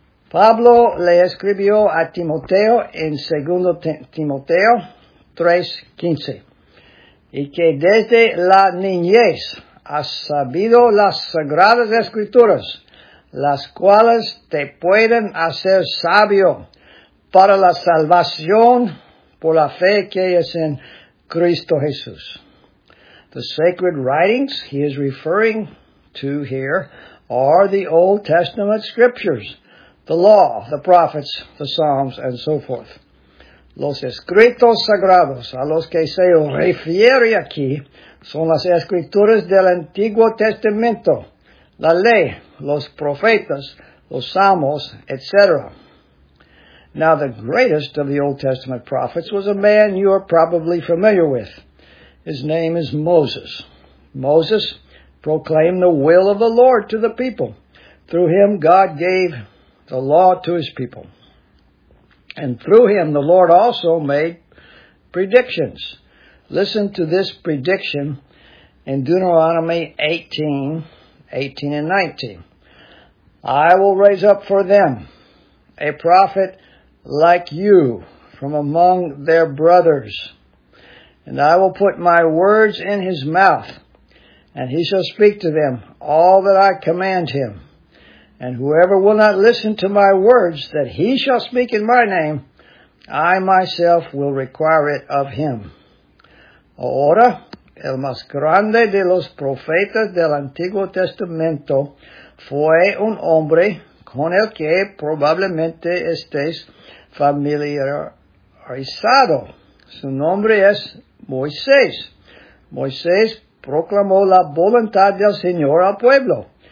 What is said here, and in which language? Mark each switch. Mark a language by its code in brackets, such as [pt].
[es] Pablo le escribió a Timoteo en 2 Timoteo 3:15, y que desde la niñez ha sabido las sagradas escrituras, las cuales te pueden hacer sabio para la salvación por la fe que es en Cristo Jesús. [en] The sacred writings he is referring to here are the Old Testament scriptures, the law, the prophets, the Psalms, and so forth. [es] Los escritos sagrados a los que se refiere aquí son las escrituras del Antiguo Testamento, la ley, los profetas, los salmos, etc. [en] Now the greatest of the Old Testament prophets was a man you are probably familiar with. His name is Moses. Moses proclaimed the will of the Lord to the people. Through him God gave the law to his people. And through him the Lord also made predictions. Listen to this prediction in Deuteronomy 18:18-19. I will raise up for them a prophet like you from among their brothers. And I will put my words in his mouth, and he shall speak to them all that I command him. And whoever will not listen to my words that he shall speak in my name, I myself will require it of him. [es] Ahora, el más grande de los profetas del Antiguo Testamento fue un hombre con el que probablemente estés familiarizado. Su nombre es Moisés. Moisés proclamó la voluntad del Señor al pueblo.